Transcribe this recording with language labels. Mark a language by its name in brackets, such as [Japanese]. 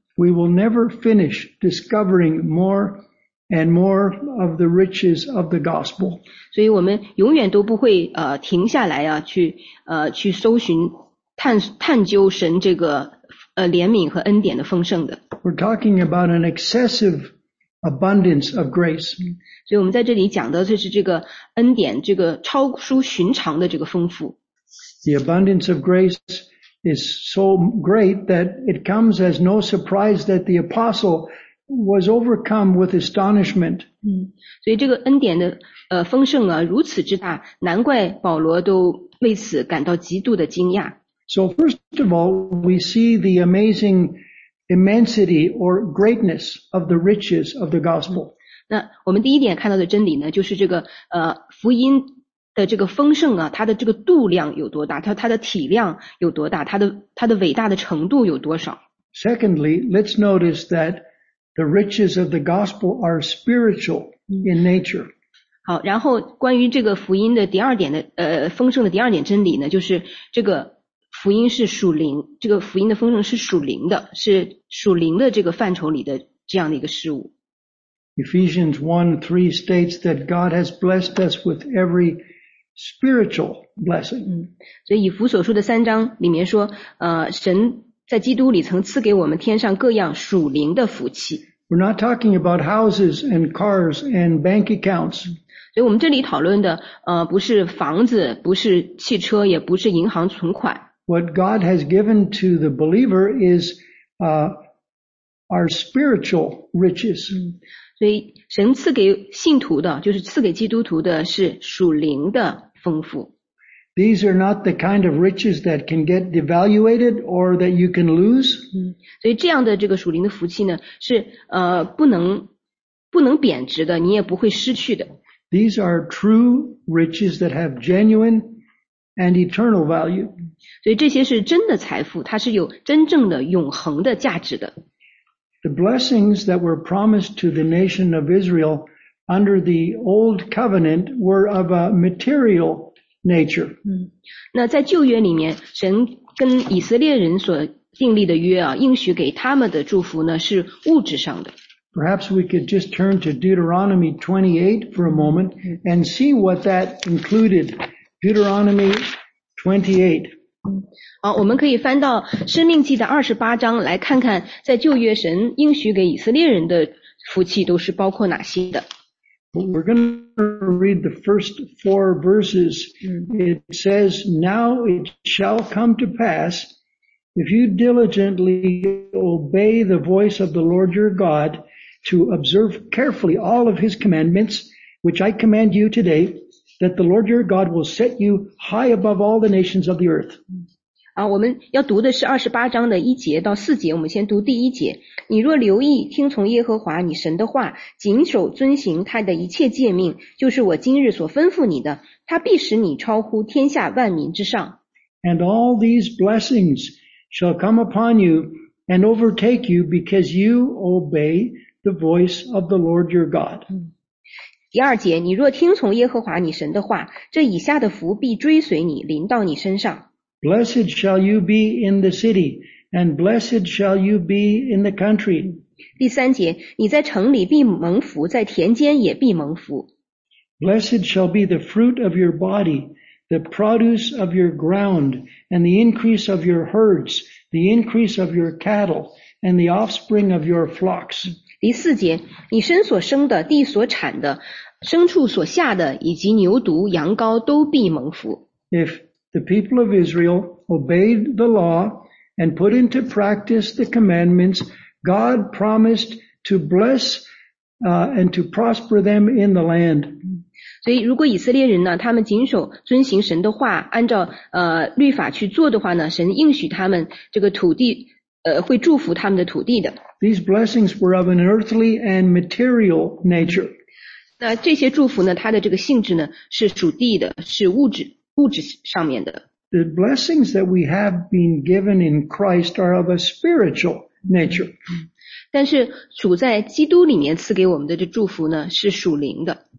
[English] We will never finish discovering more and more of the riches of the gospel. [Chinese] 所以我们永远都不会停下来啊，去搜寻探究神这个怜悯和恩典的丰盛的。 [English] We're talking about an excessive abundance of grace. [Chinese] 所以我们在这里讲的就是这个恩典，这个超出寻常的这个丰富。 [English] The abundance of grace is so great that it comes as no surprise that the apostle was overcome with astonishment. [Chinese] 所以这个恩典的丰盛啊，如此之大，难怪保罗都为此感到极度的惊讶。 [English] So first of all, we see the amazing immensity or greatness of the riches of the gospel. [Chinese] 那我们第一点看到的真理呢，就是这个福音的这个丰盛啊，它的这个度量有多大，它的体量有多大，它的伟大的程度有多少。 [English] Secondly, let's notice that the riches of the gospel are spiritual in nature. [Chinese] 好，然后关于这个福音的第二点的丰盛的第二点真理呢，就是这个福音是属灵，这个福音的丰盛是属灵的，是属灵的这个范畴里的这样的一个事物。 [English] Ephesians 1:3 states that God has blessed us with every spiritual blessing. [Chinese] 所以以弗所书的三章里面说，神在基督里曾赐给我们天上各样属灵的福气。 [English] We're not talking about houses and cars and bank accounts. [Chinese] 所以我们这里讨论的不是房子，不是汽车，也不是银行存款。 [English] What God has given to the believer is our spiritual riches. [Chinese] 所以神赐给信徒的，就是赐给基督徒的，是属灵的丰富。 [English] These are not the kind of riches that can get devaluated or that you can lose. [Chinese] 所以这样的这个属灵的福气呢，是不能贬值的，你也不会失去的。 [English] These are true riches that have genuine and eternal value. [Chinese] 所以这些是真的财富，它是有真正的永恒的价值的。 [English] The blessings that were promised to the nation of Israel under the old covenant were of a material nature. [Chinese] 那在旧约里面，神跟以色列人所订立的约啊，应许给他们的祝福呢，是物质上的。 [English] Perhaps we could just turn to Deuteronomy 28 for a moment and see what that included. Deuteronomy 28. [Chinese] 好，我们可以翻到申命记的28章，来看看在旧约神应许给以色列人的福气都是包括哪些的。 [English] We're going to read the first four verses. It says, Now it shall come to pass, if you diligently obey the voice of the Lord your God,to observe carefully all of his commandments, which I command you today, that the Lord your God will set you high above all the nations of the earth. [Chinese] 啊，我们要读的是二十八章的一节到四节，我们先读第一节。你若留意听从耶和华你神的话，谨守遵行他的一切诫命，就是我今日所吩咐你的，他必使你超乎天下万民之上。 [English] And all these blessings shall come upon you and overtake you because you obey the voice of the Lord your God. [Chinese] 第二节，你若听从耶和华你神的话，这以下的福必追随你，临到你身上。 [English] Blessed shall you be in the city, and blessed shall you be in the country. [Chinese] 第三节，你在城里必蒙福，在田间也必蒙福。 [English] Blessed shall be the fruit of your body, the produce of your ground, and the increase of your herds, the increase of your cattle, and the offspring of your flocks. [Chinese] 第四节，你身所生的，地所产的，牲畜所下的，以及牛犊、羊羔都必蒙福。 [English] If the people of Israel obeyed the law and put into practice the commandments, God promised to bless, and to prosper them in the land. [Chinese] 所以如果以色列人呢，他们谨守遵行神的话，按照律法去做的话呢，神应许他们这个土地会祝福他们的土地的。 [English] These blessings were of an earthly and material nature. [Chinese] 那这些祝福呢，它的这个性质呢，是属地的，是物质。 [English] The blessings that we have been given in Christ are of a spiritual nature. [Chinese] 但是主在基督里面赐给我们的这祝福呢，是属灵的。